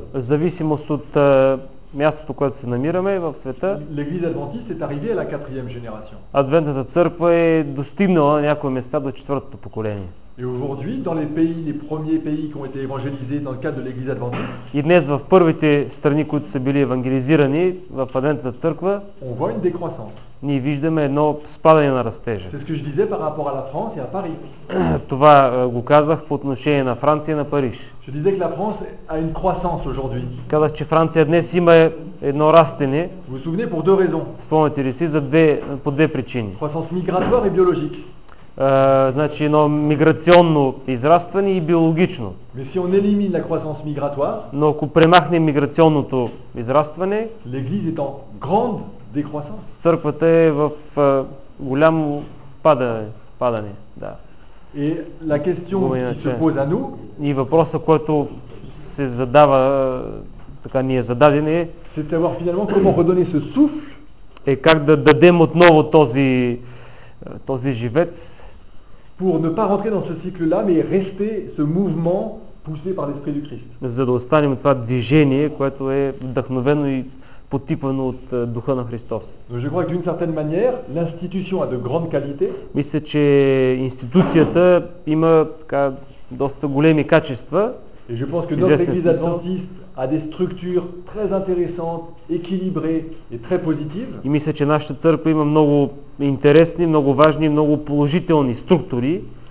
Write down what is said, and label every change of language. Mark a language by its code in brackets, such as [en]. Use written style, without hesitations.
[bg] в зависимост от мястото, което се намираме в света, [fr] l'église adventiste est arrivée à la quatrième génération. [bg] Адвентната църква е достигнала на някои места до четвъртото поколение. [fr] Et aujourd'hui, dans les pays, les premiers pays qui ont été évangélisés dans le cadre de l'église adventiste, [bg] и днес в първите страни, които са били евангелизирани в адвентната църква, [fr] on voit une décroissance. [bg] Ние виждаме едно спадане на растежа. [fr] C'est ce que je disais par rapport à la France et à Paris. [bg] Това го казах по отношение на Франция и на Париж. [fr] Je disais que la France a une croissance aujourd'hui. [bg] Казах, че Франция днес има едно растене. [fr] Vous vous souvenez, pour deux raisons. [bg] Спомнете ли си, по две причини. [fr] Croissance migratoire et biologique. [bg] Значи едно миграционно израстване и биологично. [fr] Mais si on élimine la croissance migratoire, [bg] но ако премахнем миграционното израстване, [fr] l'église est en grande décroissance. [bg] Църквата е в голямо падане. Да. [fr] Et la question qui se pose à nous, [bg] и въпросът, който се задава, така ни е зададен, е, [fr] c'est de savoir finalement comment redonner ce souffle, [bg] е как да дадем отново този живец, [fr] pour ne pas rentrer dans ce cycle-là, mais rester ce mouvement poussé par l'Esprit du Christ. [bg] За да останем това движение, което е вдъхновено и потипано от Духа на Христос. [fr] Donc je crois que d'une certaine manière, l'institution a de grandes qualités. [bg] Мисля, че институцията има така доста големи качества. [fr] Et je pense que notre Église adventiste a des structures très intéressantes, équilibrées et très positives. [bg] И мисля, че нашата църква има много интересни, много важни, много положителни структури.